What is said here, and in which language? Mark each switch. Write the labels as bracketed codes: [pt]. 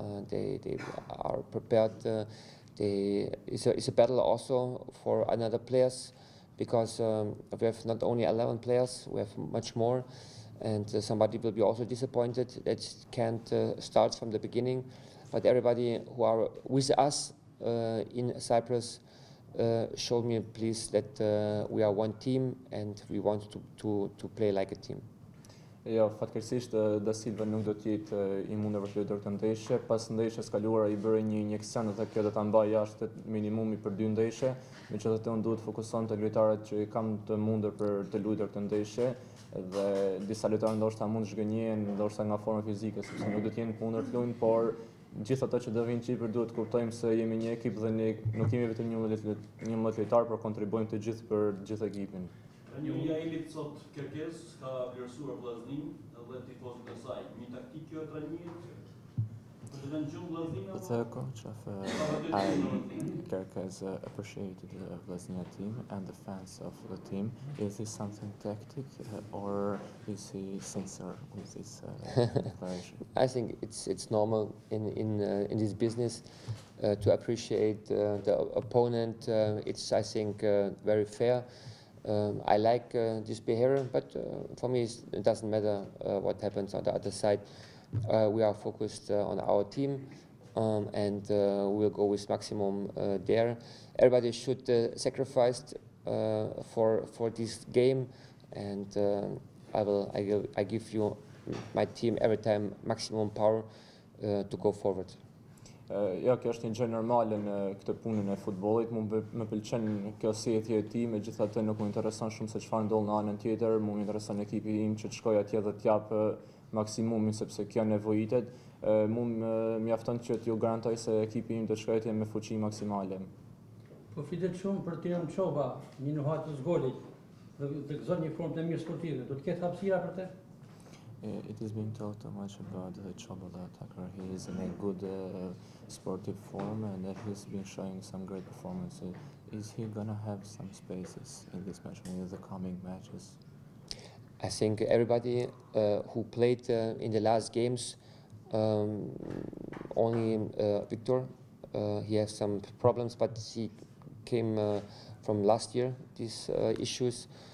[en] They are prepared. It's a battle also for another players, because we have not only 11 players, we have much more, and somebody will be also disappointed that can't start from the beginning. But everybody who are with us in Cyprus showed me please that we are one team and we want to play like a team. [sq] Jo, fatkeqësisht Da Silva nuk do të jetë i mundur për këtë ndeshje. Pas ndeshjes kaluara i bëri një injeksion dhe kjo do ta mbajë jashtë minimumi për 2 ndeshje. Megjithatë, unë duhet të fokusoj te lojtarët që kam të mundur për të luajtur këtë ndeshje, dhe disa lojtarë ndoshta mund të zhgënjehen ndoshta nga forma fizike, sepse nuk do të jenë kundër të luajnë, por gjithë ato që do vinë Qipër duhet të kuptojmë se jemi një ekip dhe ne nuk kemi vetëm 11 lojtarë, por kontribuojmë të gjithë për gjithë ekipin. Rënjëja e lit sot Kerkes ka vlerësuar Vllazninë dhe tifozët e saj. Një taktikë kjo e trajnerit. Për të vënë gjumë Vllazninë. [en] The coach of Kerkes appreciated the Vllazninë team and the fans of the team. Is this something tactic or is he sincere with this declaration? I think it's normal in this business to appreciate the opponent. It's I think very fair. I like this behavior, but for me it doesn't matter what happens on the other side. We are focused on our team we'll go with maximum there. Everybody should sacrifice for this game, and I give you my team every time maximum power to go forward. [sq] Jo, kjo është një gjë normale në këtë punën e futbollit. Mua më pëlqen kjo sjellje e tij, megjithatë nuk më intereson shumë se çfarë ndodh në anën tjetër. Mua më intereson ekipi im që të shkojë atje dhe të jap maksimumin, sepse kjo nevojitet. Mua më mjafton që t'ju garantoj se ekipi im do të shkojë atje me fuqi maksimale. Po fitet shumë për Tiran Çova, një nuhatës golit. Dhe të gëzon një formë të mirë sportive. Do të ketë hapësira për të? [en] It has been talked so much about the Çova, the attacker. He is in a good sportive form and he's been showing some great performances. Is he gonna have some spaces in this match, in the coming matches? I think everybody who played in the last games, only Victor, he has some problems, but he came from last year, these issues.